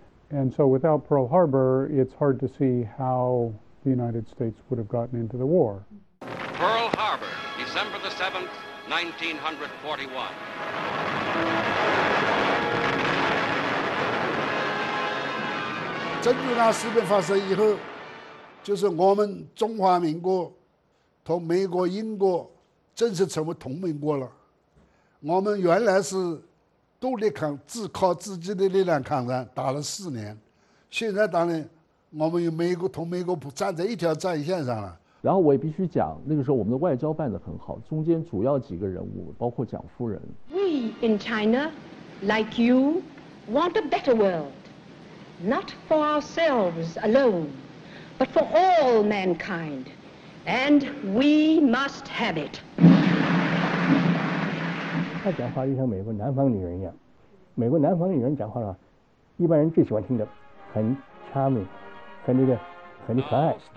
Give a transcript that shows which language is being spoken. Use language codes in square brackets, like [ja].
[en] And so without Pearl Harbor, it's hard to see how. The United States would have gotten into the war. Pearl Harbor, December the 7th, 1941. Since the [zh] 1941事变发生以后，就是我们中华民国同美国、英国正式成为同盟国了。我们原来是独立抗，自靠自己的力量抗战，打了4年。现在当然。我们与美国同美国站在一条战线上了。然后我也必须讲，那个时候我们的外交办得很好，中间主要几个人物包括蒋夫人。 [en] We in China, like you, want a better world, not for ourselves alone, but for all mankind, and we must have it. [zh] 她讲话就像美国南方女人一样，美国南方女人讲话呢，一般人最喜欢听的，很 charming。很那个，很可爱。